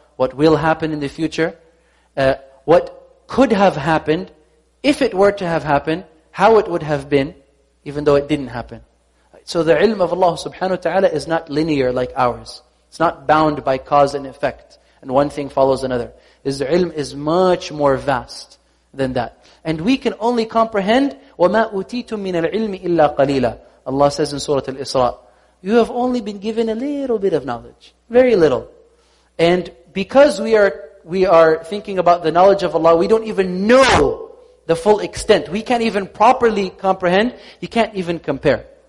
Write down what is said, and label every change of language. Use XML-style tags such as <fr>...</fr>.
<en>what will happen in the future, what could have happened, if it were to have happened, how it would have been, even though it didn't happen. So the ilm of Allah subhanahu wa ta'ala is not linear like ours. It's not bound by cause and effect, and one thing follows another. His ilm is much more vast than that. And we can only comprehend,</en> <ar>وَمَا أُوتِيتُم مِّنَ الْعِلْمِ إِلَّا قَلِيلًا.</ar> <en>Allah says in Surah Al-Isra, you have only been given a little bit of knowledge. Very little. And because we are thinking about the knowledge of Allah, we don't even know the full extent. We can't even properly comprehend. You can't even compare.</en>